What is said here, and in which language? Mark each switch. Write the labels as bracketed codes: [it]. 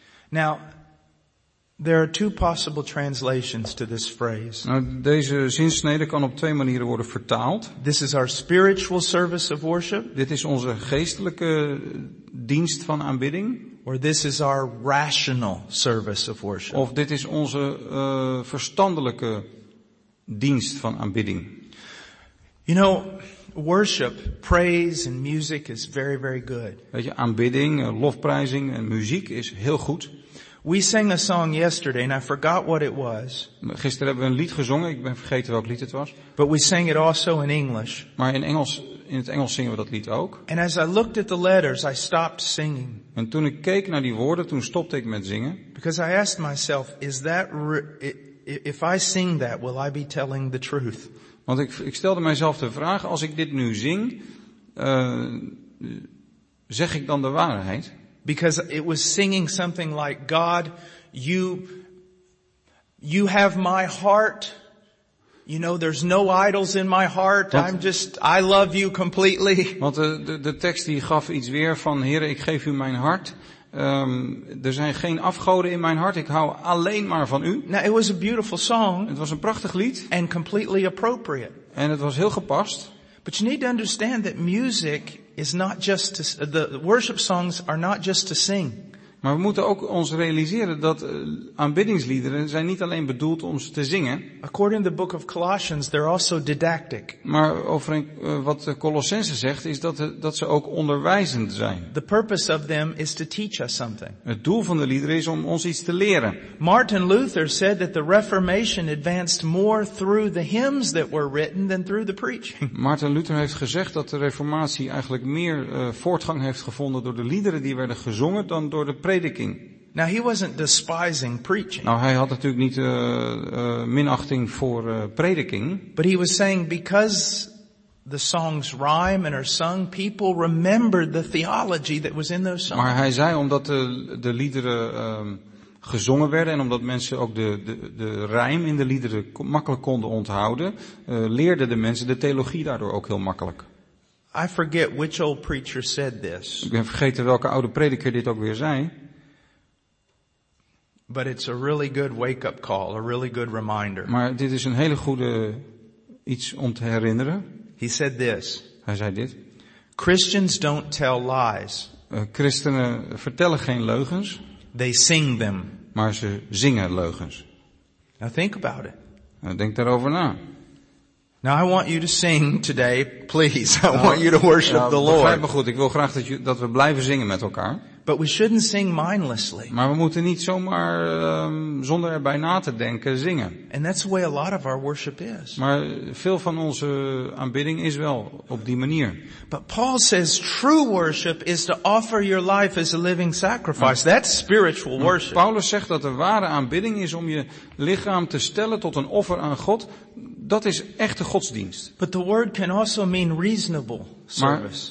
[en] Now, there are two possible translations to this phrase. [nl] Nou, deze zinsnede kan op twee manieren worden vertaald. [en] This is our spiritual service of worship. [nl] Dit is onze geestelijke dienst van aanbidding. [en] Or this is our rational service of worship. [nl] Of dit is onze verstandelijke dienst van aanbidding. [en] You know, worship, praise and music is very, very good. [nl] Weet je, aanbidding, lofprijzing en muziek is heel goed. [en] We sang a song yesterday and I forgot what it was. [nl] Gisteren hebben we een lied gezongen, ik ben vergeten welk lied het was. [en] But we sang it also in English. [nl] Maar in het Engels zingen we dat lied ook. [en] And as I looked at the letters, I stopped singing. [nl] En toen ik keek naar die woorden, toen stopte ik met zingen. [en] Because I asked myself, is that if I sing that, will I be telling the truth? [nl] Want ik stelde mijzelf de vraag, als ik dit nu zing, zeg ik dan de waarheid? [en] Because it was singing something like, God, you have my heart. You know, there's no idols in my heart. I love you completely. [nl] Want de tekst die gaf iets weer van, Heere, ik geef u mijn hart. Er zijn geen afgoden in mijn hart. Ik hou alleen maar van u. [en] Now, it was a beautiful song. [nl] Het was een prachtig lied. [en] And completely appropriate. [nl] En het was heel gepast. [en] But you need to understand that music is not just to, the worship songs are not just to sing. [nl] Maar we moeten ook ons realiseren dat aanbiddingsliederen zijn niet alleen bedoeld om ze te zingen. [en] According to the book of Colossians, they're also didactic. [nl] Maar wat Colossense zegt is dat ze ook onderwijzend zijn. [en] The purpose of them is to teach us something. [nl] Het doel van de liederen is om ons iets te leren. [en] Martin Luther said that the Reformation advanced more through the hymns that were written than through the preaching. [nl] Martin Luther heeft gezegd dat de Reformatie eigenlijk meer voortgang heeft gevonden door de liederen die werden gezongen dan door de prediking. [en] Now he wasn't despising preaching. [nl] Nou, hij had natuurlijk niet minachting voor prediking. [en] But he was saying because the songs rhyme and are sung, people remember the theology that was in those songs. [nl] Maar hij zei omdat de liederen gezongen werden en omdat mensen ook de rijm in de liederen makkelijk konden onthouden, leerden de mensen de theologie daardoor ook heel makkelijk. [en] I forget which old preacher said this. [nl] Ik ben vergeten welke oude prediker dit ook weer zei. [en] But it's a really good wake-up call, a really good reminder. [nl] Maar dit is een hele goede iets om te herinneren. [en] He said this. [nl] Hij zei dit. [en] Christians don't tell lies. [nl] Christenen vertellen geen leugens. [en] They sing them. [nl] Maar ze zingen leugens. [en] Now think about it. [nl] Denk daarover na. [en] Now I want you to sing today, please. I want you to worship the Lord. [nl] Begrijp me goed. Ik wil graag dat we blijven zingen met elkaar. [en] But we shouldn't sing mindlessly. [nl] Maar we moeten niet zomaar zonder erbij na te denken zingen. [en] And that's the way a lot of our worship is. [nl] Maar veel van onze aanbidding is wel op die manier. [en] But Paul says true worship is to offer your life as a living sacrifice. That's spiritual worship. [nl] Paulus zegt dat de ware aanbidding is om je lichaam te stellen tot een offer aan God. Dat is echte godsdienst. [en] But the word can also mean reasonable service.